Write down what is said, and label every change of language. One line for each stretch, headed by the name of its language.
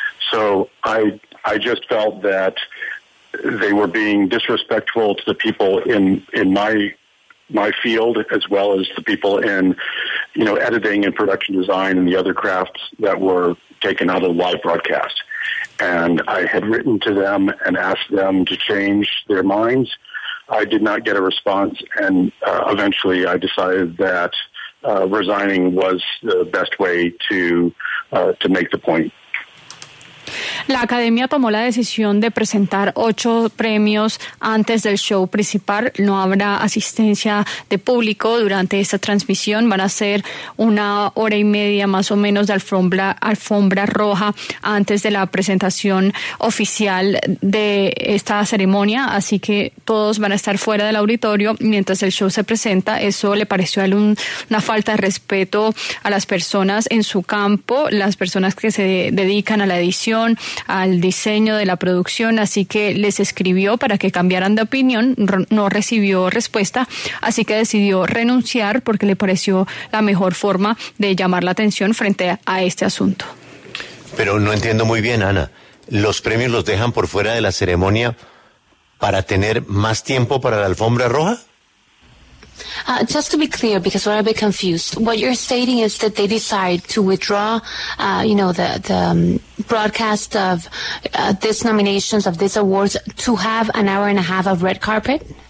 English: So I just felt that they were being disrespectful to the people in my field, as well as the people in, you know, editing and production design and the other crafts that were taken out of the live broadcast. And I had written to them and asked them to change their minds. I did not get a response, and eventually I decided that resigning was the best way to make the point.
Spanish: La Academia tomó la decisión de presentar 8 premios antes del show principal. No habrá asistencia de público durante esta transmisión. Van a ser una hora y media más o menos de alfombra roja antes de la presentación oficial de esta ceremonia. Así que todos van a estar fuera del auditorio mientras el show se presenta. Eso le pareció a él una falta de respeto a las personas en su campo, las personas que se dedican a la edición, al diseño de la producción, así que les escribió para que cambiaran de opinión, no recibió respuesta, así que decidió renunciar porque le pareció la mejor forma de llamar la atención frente a este asunto. Pero no entiendo muy bien, Ana, ¿los premios los dejan por fuera de la ceremonia para tener más tiempo para la alfombra roja?
English: Just to be clear, because we're a bit confused, what you're stating is that they decide to withdraw, the broadcast of these nominations, of these awards, to have an hour and a half of red carpet?